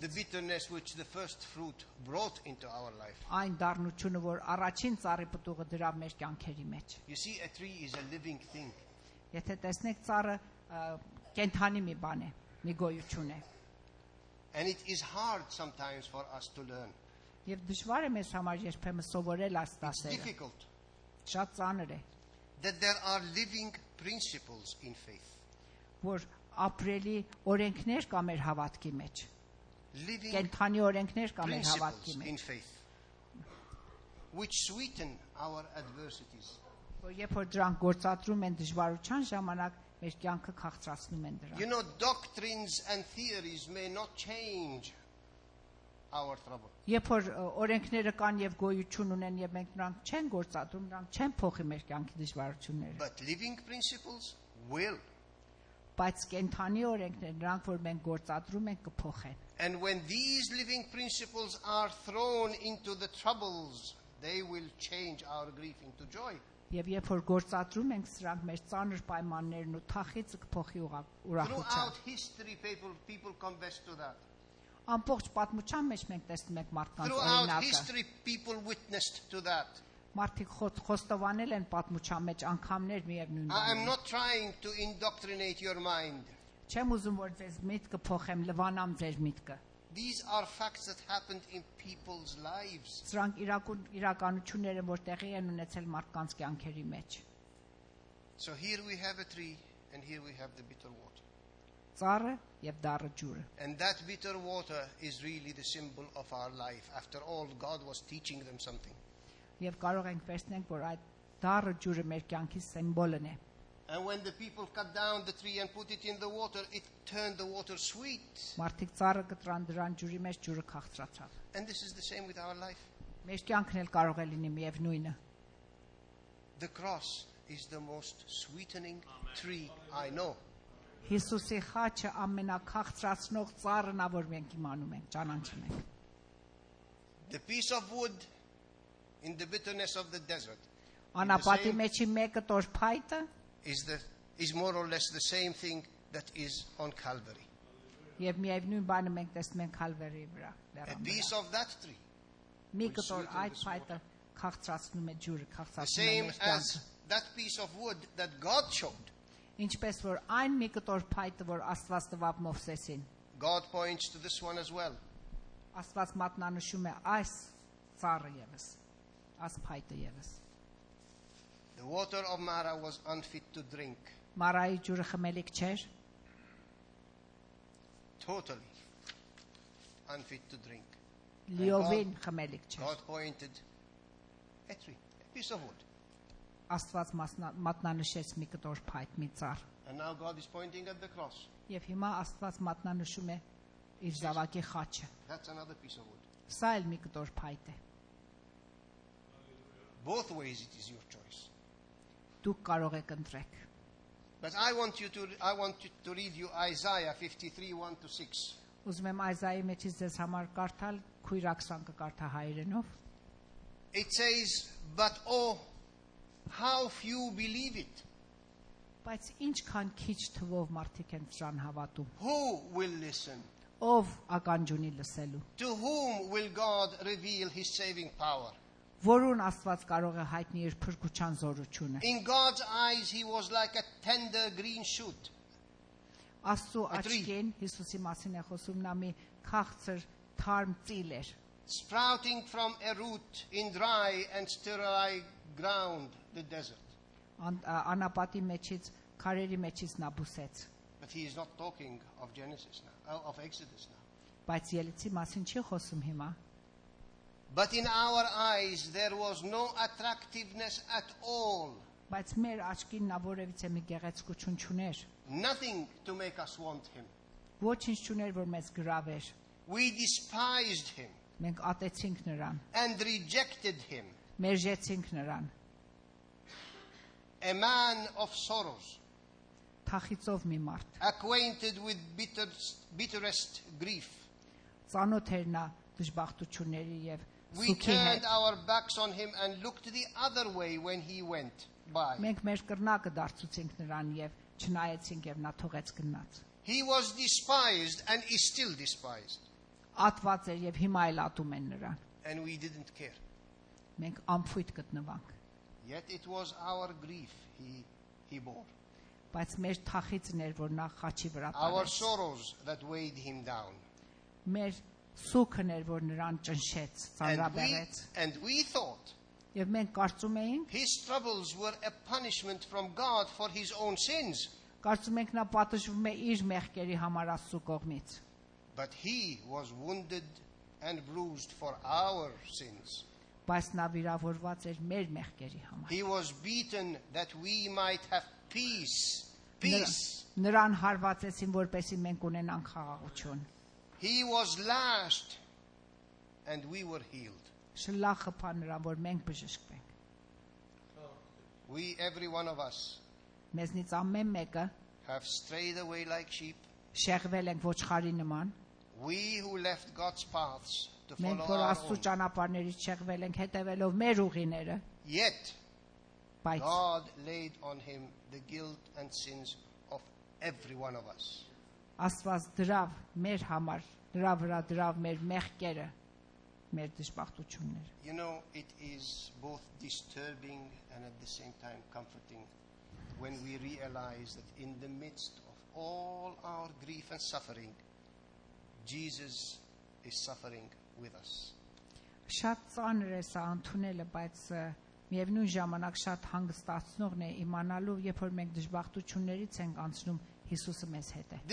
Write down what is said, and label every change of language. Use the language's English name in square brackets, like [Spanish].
[English] The bitterness which the first fruit brought into our life. [Armenian] Այն դառնությունը, որ առաջին ծառի պտուղը դրավ մեր կյանքերի մեջ։ [English] You see, a tree is a living thing. [Armenian] Եթե տեսնեք ծառը կենթանի մի բան է, մի գոյություն է. [English] And it is hard sometimes for us to learn. [Armenian] Եվ դժվար է մեզ համար երբեմն սովորել այս դասերը. [English] It's difficult. [Armenian] Շատ ծանր է. [English] That there are living principles in faith. [Armenian] Որ ապրելի օրենքներ կա մեր հավատքի մեջ. [English] Living [Armenian] կենթանի օրենքներ կա մեր հավատքի մեջ. [English] In faith. Which sweeten our adversities. [Armenian] Եթե որ դրանք գործադրում են դժվարության ժամանակ, մեր կյանքը քաղցրացնում են դրանք. [English] You know, doctrines and theories may not change our trouble. [Armenian] Եթե որ օրենքները կան եւ գոյություն ունեն եւ մենք նրանք չեն գործադրում, նրանք չեն փոխի մեր կյանքի դժվարությունները. [English] But living principles will. [Armenian] Բայց կենթանի օրենքներ, նրանք որ մենք գործադրում ենք, կփոխեն. [English] And when these living principles are thrown into the troubles, they will change our grief into joy. [Armenian] Եվ երբ որ գործադրում ենք սրանք մեր ծանր պայմաններն ու թախիցը կփոխի ուրախությունը ամբողջ պատմության մեջ մենք տեսնում ենք մարդկանց օրինակը մարդիկ խոստովանել են պատմության մեջ անգամներ միևնույն բանին չեմ ուզում որ ձեզ միտքը փոխեմ լվանամ ձեր միտքը [English] These are facts that happened in people's lives. [Armenian] Սրանք իրականությունները, որ տեղի են ունեցել մարդկանց կյանքերի մեջ. [English] So here we have a tree and here we have the bitter water. [Armenian] Ծառը եւ դառը ջուրը. [English] And that bitter water is really the symbol of our life. After all, God was teaching them something. [Armenian] Եվ կարող ենք վերցնել, որ այդ դառը ջուրը մեր կյանքի սիմբոլն է. [English] And when the people cut down the tree and put it in the water, it turned the water sweet. [Armenian] Մարդիկ ծառը կտրան դրան ջուրի մեջ ջուրը քաղցրացավ. [English] And this is the same with our life. [Armenian] Մեր կյանքն էլ կարող է լինի միևնույնը. [English] The cross is the most sweetening tree I know. [Armenian] Հիսուսի խաչը ամենակաղցրացնող ծառն է, որ մենք իմանում ենք, ճանաչում ենք. [English] The piece of wood in the bitterness of the desert. [Armenian] Անապատի մեջի մեկը տորփայտը [English] is more or less the same thing that is on Calvary. [Armenian] Եվ միևնույն բանը մենք տեսնում ենք Calvary-ի վրա։ [English] A piece of that tree. [Armenian] Մի կտոր այդ փայտը քաղցրացնում է ջուրը, քաղցրացնում է մեր կյանքը։ [English] Same as that piece of wood that God showed. [Armenian] Ինչպես որ այն մի կտոր փայտը, որ Աստված տվավ Մովսեսին։ [English] God points to this one as well. [Armenian] Աստված մատնանշում է այս ծառը եւս, այս փայտը եւս։ [English] The water of Mara was unfit to drink. [Armenian] Մարայի ջուրը խմելիք չէր. [English] Totally unfit to drink. [Armenian] Լիովին խմելիք չէր. [English] God pointed a tree, a piece of wood. [Armenian] Աստված մատնանշեց մի կտոր փայտ, մի ծառ. [English] And now God is pointing at the cross. [Armenian] Եվ հիմա Աստված մատնանշում է իր զավակի խաչը. [English] That's another piece of wood. [Armenian] Սա էլ մի կտոր փայտ է. [English] Both ways it is your choice. [Armenian] Դուք կարող եք ընտրեք։ [English] But I want you to read you Isaiah 53:1-6. [Armenian] Ուզում եմ Այզայի մեջից ձեզ համար կարդալ, քույրակ 20-ը կարդա հայերենով։ [English] It says, but oh, how few believe it. [Armenian] Բայց ինչքան քիչ թվով մարդիկ են սրան հավատում։ [English] Who will listen? [Armenian] Ով ականջ ունի լսելու։ [English] To whom will God reveal his saving power? [Armenian] Որուն Աստված կարող է հայտնել իր փրկության զորությունը։ [English] In God's eyes he was like a tender green shoot. [Armenian] Աստծո աչքին Հիսուսի մասին է խոսում, նա մի քաղցր թարմ ծիլ էր։ [English] Sprouting from a root in dry and sterile ground, the desert. [Armenian] Անապատի մեջից, քարերի մեջից նա բուսեց։ [English] But he is not talking of Genesis now, of Exodus now. [Armenian] Բայց Ելեցի մասին չի խոսում հիմա։ [English] But in our eyes there was no attractiveness at all. [Armenian] Բայց մեր աչքին նա որևիցե մի գեղեցկություն չուներ. [English] Nothing to make us want him. [Armenian] Ոչինչ չուներ, որ մեզ գրավեր. [English] We despised him. [Armenian] Մենք ատեցինք նրան. [English] And rejected him. [Armenian] Մերժեցինք նրան. [English] A man of sorrows. [Armenian] Թախիցով մի մարդ. [English] Acquainted with bitterest grief. [Armenian] Ծանոթ էր նա դժբախտությունների եւ [English] We turned our backs on him and looked the other way when he went by. [Armenian] Մենք մեր կրնակը դարձուցինք նրան եւ չնայեցինք եւ նա թողեց գնաց. [English] He was despised and is still despised. [Armenian] Ատված էր եւ հիմա էլ ատում են նրան. [English] And we didn't care. [Armenian] Մենք անփույթ գտնվանք. [English] Yet it was our grief he bore. [Armenian] բայց մեր թախիցն էր, որ նա խաչի վրա պարեց. [English] Our sorrows that weighed him down. [Armenian] Մեր սուքն էր, որ նրան ճնշեց, ծանրաբերեց. [English] And we thought. [Armenian] Եվ մենք կարծում էինք. [English] His troubles were a punishment from God for his own sins. [Armenian] Կարծում ենք նա պատժվում է իր մեղքերի համար Աստծո կողմից. [English] But he was wounded and bruised for our sins. [Armenian] Բայց նա վիրավորված էր մեր մեղքերի համար. [English] He was beaten that we might have peace. Peace. [Armenian] Նրան հարվածեցին, որպեսզի մենք ունենանք խաղաղություն. [English] He was lashed and we were healed. [Armenian] Շլախը փան նրան, որ մենք բժշկվենք. [English] We every one of us. [Armenian] Մեզնից ամեն մեկը. [English] Have strayed away like sheep. [Armenian] Շեղվել ենք ոչխարի նման. [English] We who left God's paths to follow our own. [Armenian] Մենք որ Աստծո ճանապարհներից շեղվել ենք հետևելով մեր ուղիները. [English] Yet God laid on him the guilt and sins of every one of us. [Armenian] Աստված դրավ մեր համար, դրա վրա դրավ մեր մեղքերը, մեր դժբախտությունները. [English] You know, it is both disturbing and at the same time comforting when we realize that in the midst of all our grief and suffering, Jesus is suffering with us. [Armenian] Շատ ծանր է սա ընդունելը, բայց միևնույն ժամանակ շատ հանգստացնողն է իմանալու, երբ որ մենք դժբախտություններից ենք անցնում, Հիսուսը մեզ հետ է.